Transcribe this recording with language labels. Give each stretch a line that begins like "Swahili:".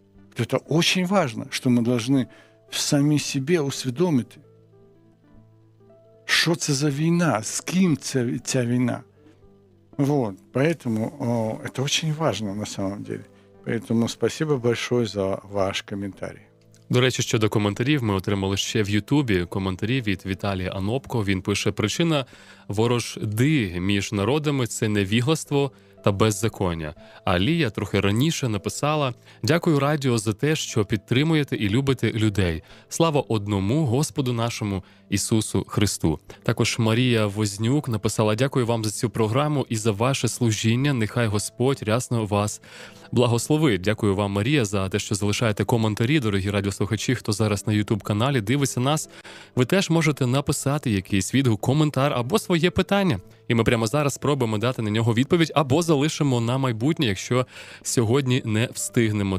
Russian: Вот это очень важно, что мы должны сами себе усведомить. Что это за война? С кем эта война? Вот, поэтому это очень важно на самом деле. Поэтому спасибо большое за ваш комментарий.
Ukrainian: До речі, щодо коментарів, ми отримали ще в Ютубі коментарі від Віталія Анопко. Він пише, причина ворожди між народами – це невігластво та беззаконня. А Лія трохи раніше написала, дякую радіо за те, що підтримуєте і любите людей. Слава одному Господу нашому Ісусу Христу. Також Марія Вознюк написала, дякую вам за цю програму і за ваше служіння. Нехай Господь рясно вас благословить. Дякую вам, Марія, за те, що залишаєте коментарі, дорогі радіослухачі, хто зараз на YouTube-каналі дивиться нас. Ви теж можете написати якийсь відгук, коментар або своє питання. І ми прямо зараз спробуємо дати на нього відповідь або залишимо на майбутнє, якщо сьогодні не встигнемо.